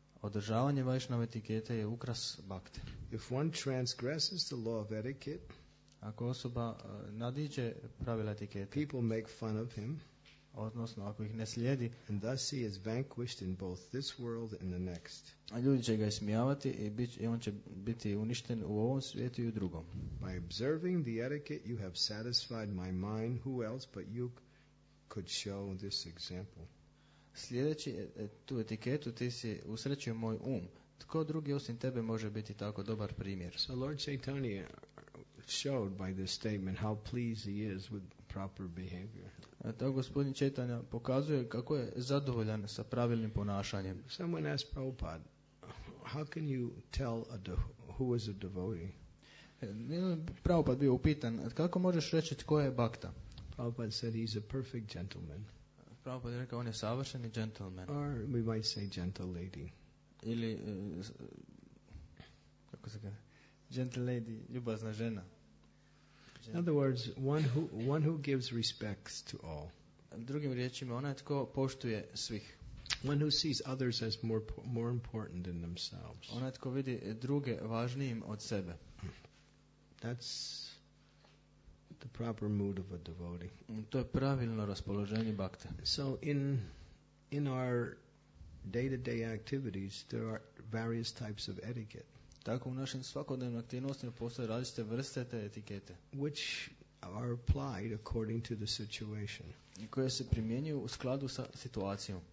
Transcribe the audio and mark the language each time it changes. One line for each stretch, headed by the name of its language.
Croatian: Održavanje Vaishnava etikete je ukras bhakte.
English: If one transgresses the law of etiquette,
Croatian: ako osoba nadiđe pravila etikete,
English: people make fun of him,
Croatian: odnosno ako ih ne slijedi,
English: and thus he is vanquished in both this world and the next.
Croatian: A ljudi će ga ismijavati i on će biti uništen u ovom svijetu i u drugom.
English: By observing the etiquette, you have satisfied my mind. Who else but you could show this example?
Croatian: Slijedeći tu etiketu, ti si usrećio moj um. Tko drugi osim tebe može biti tako dobar primjer?
English: So Lord Chaitanya showed by this statement how pleased he is with proper behavior.
Croatian: Tako gospodin Chaitanya pokazuje kako je zadovoljan sa pravilnim ponašanjem.
English: Someone asked Prabhupada, how can you tell who is a devotee?
Croatian: Prabhupada bio upitan, kako možeš reći tko je bhakta?
English: Prabhupada said he's a perfect gentleman.
Croatian: Prabhupada je rekao, on je savršeni gentleman.
English: Or we might say gentle lady.
Croatian: Ili, kako se kaže,
English: gentle lady,
Croatian: ljubazna žena.
English: In other words, one who gives respects to all.
Croatian: Drugim riječima, onaj tko poštuje svih.
English: One who sees others as more important than themselves.
Croatian: Onaj tko vidi druge važnijim od sebe.
English: That's the proper mood of a devotee.
Croatian: To je pravilno raspoloženje bhakte.
English: So in our day-to-day activities, there are various types of etiquette.
Croatian: Tako u našim svakodnevnim aktivnostima postoje različite vrste te etikete.
English: Which are applied according to the situation.
Croatian: Koje se primjenjuju u skladu sa situacijom.